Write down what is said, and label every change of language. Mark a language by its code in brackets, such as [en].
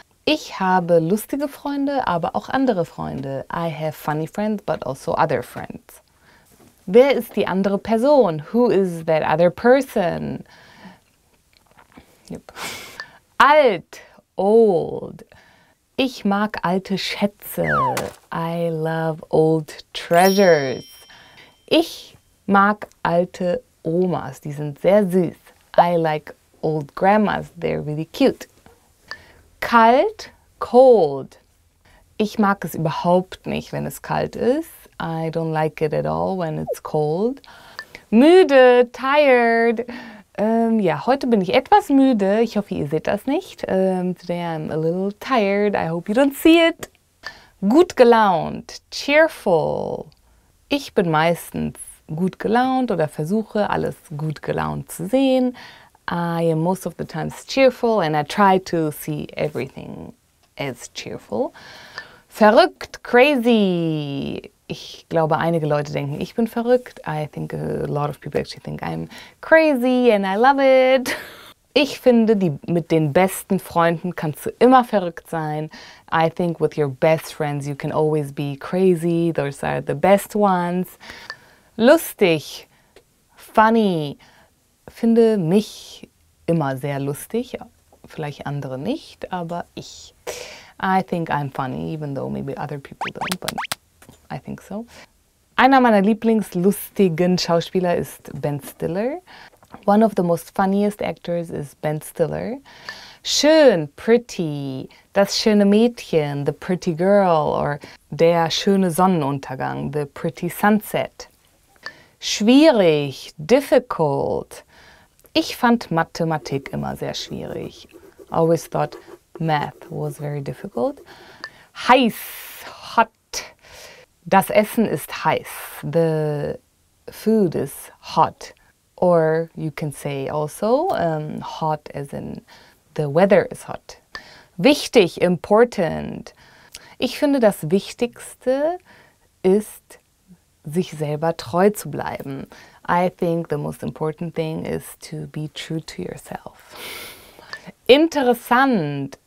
[de] Ich habe lustige Freunde, aber auch andere Freunde. [en] I have funny friends, but also other friends. [de] Wer ist die andere Person? [en] Who is that other person? Yep. [de] Alt, old. Ich mag alte Schätze. [en] I love old treasures. [de] Ich mag alte Omas, die sind sehr süß. [en] I like old grandmas, they're really cute. Kalt, cold. [de] Ich mag es überhaupt nicht, wenn es kalt ist. [en] I don't like it at all when it's cold. [de] Müde, tired. Ja, heute bin ich etwas müde. Ich hoffe, ihr seht das nicht. [en] Today I'm a little tired. I hope you don't see it. Gut gelaunt, cheerful. [de] Ich bin meistens gut gelaunt oder versuche, alles gut gelaunt zu sehen. [en] I am most of the times cheerful and I try to see everything as cheerful. [de] Verrückt, crazy. Ich glaube, einige Leute denken, ich bin verrückt. [en] I think a lot of people actually think I'm crazy and I love it. [de] Ich finde, mit den besten Freunden kannst du immer verrückt sein. [en] I think with your best friends you can always be crazy. Those are the best ones. [de] Lustig, funny, finde mich immer sehr lustig, vielleicht andere nicht, aber ich. [en] I think I'm funny, even though maybe other people don't, but I think so. [de] Einer meiner lieblingslustigen Schauspieler ist Ben Stiller. [en] One of the most funniest actors is Ben Stiller. Schön, pretty, [de] das schöne Mädchen, [en] the pretty girl, or [de] der schöne Sonnenuntergang, [en] the pretty sunset. [de] Schwierig, difficult. Ich fand Mathematik immer sehr schwierig. [en] I always thought math was very difficult. Heiß, hot. [de] Das Essen ist heiß. [en] The food is hot. Or you can say also hot as in the weather is hot. [de] Wichtig, important. Ich finde das Wichtigste ist sich selber treu zu bleiben. [en] I think the most important thing is to be true to yourself. Interessant,